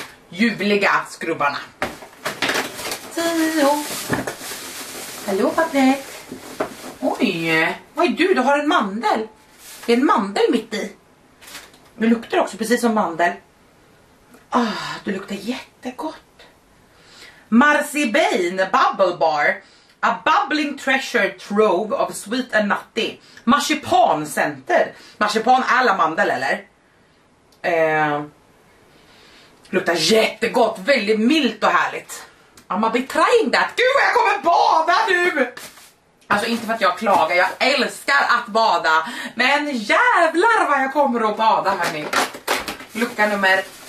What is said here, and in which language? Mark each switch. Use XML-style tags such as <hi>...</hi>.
<sv>Ljuvliga skrubbarna. Tio. Hallå Patrik. Oj, vad är du? Du har en mandel. Det är en mandel mitt i. Du luktar också precis som mandel. Ah, du luktar jättegott.</sv> <en>Marzipan bubble bar, a bubbling treasure trove of sweet and nutty. Marzipan center.</en> <sv>Marzipan är la mandel eller? Luktar jättegott, väldigt milt och härligt.</sv> <en>I'm a be trying that.</en> <sv>Gud, jag kommer bada nu. Alltså inte för att jag klagar, jag älskar att bada, men jävlar vad jag kommer att bada hörni. Lucka nummer 11.</sv>